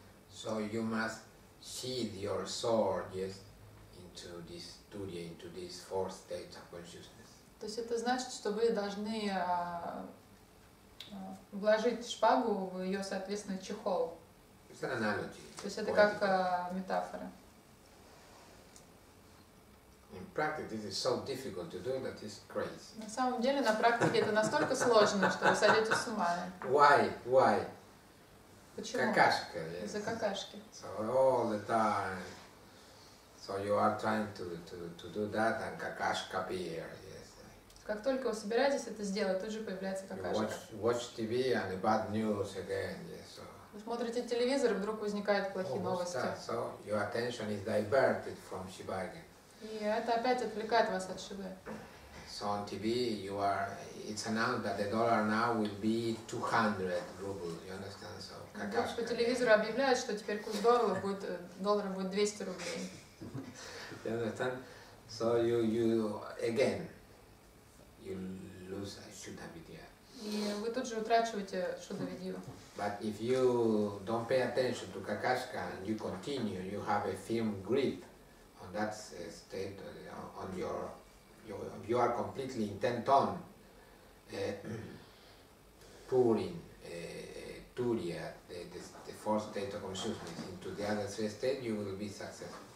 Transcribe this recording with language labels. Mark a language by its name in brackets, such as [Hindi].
[English] So you must sheath your sword, yes, into this turiya, into this fourth state of consciousness. [Russian] То есть это значит, что вы должны вложить шпагу в ее соответственный чехол. [English] It's an analogy. [Russian] То есть это как метафора. [English] In practice, this is so difficult to do that it's crazy. [Russian] На самом деле, на практике это настолько сложно, что вы сойдете с ума. [English] Why? Why? [Russian] Почему? [English] Какашка, yes. [Russian] Из-за какашки. [English] So all the time. So you are trying to do that and какашка appear, yes. [Russian] Как только вы собираетесь это сделать, тут же появляется какашка. [English] You watch TV and the bad news again, yes. So. [Russian] Вы смотрите телевизор, и вдруг возникают плохие новости. [English] That. So your attention is diverted from Shibaga. [Russian] И это опять отвлекает вас от Шибы. [English] So on TV you are it's announced that the dollar now will be 200 rubles, you understand? So [Russian] по телевизору объявляют, что теперь курс доллара будет 200 рублей. [English] You understand? So you again you lose Shuddhavidya. [Russian] И вы тут же утрачиваете Шуддхавидью. [English] But if you don't pay attention to Какашка and you continue, you have a firm grip on that state on your you are completely intent on pouring turiya, the fourth state of consciousness, into the other three states, you will be successful.